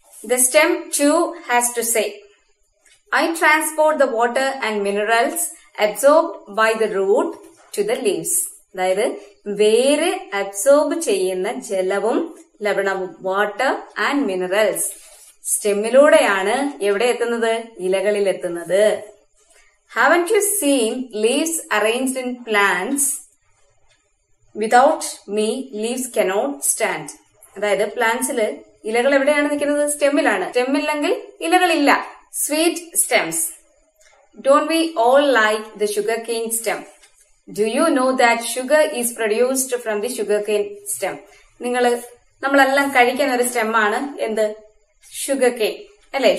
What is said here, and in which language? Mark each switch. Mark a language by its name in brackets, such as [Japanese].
[English] The stem too has to say, I transport the water and minerals absorbed by the root to the leaves. [Malayalam] അതായത് വേര് absorb ചെയ്യുന്ന ജലവും ലവണവും, [English] water and minerals, [Malayalam] സ്റ്റെമ്മിലൂടെയാണ് എവിടെ എത്തുന്നത്? ഇലകളിൽ എത്തുന്നത്. [English] Haven't you seen leaves arranged in plants? Without me, leaves cannot stand. [Malayalam] അതായത് പ്ലാന്റ്സിൽ ഇലകൾ എവിടെയാണ് നിൽക്കുന്നത്? സ്റ്റെമ്മിലാണ്. സ്റ്റെമ്മില്ലെങ്കിൽ ഇലകളില്ല. [English] Sweet stems, don't we all like the sugarcane stem? Do you know that sugar is produced from the sugarcane stem? [Malayalam] നമ്മളെല്ലാം കഴിക്കുന്ന ഒരു സ്റ്റെമ്മാണ് എന്ത്? Sugar cane അല്ലേ?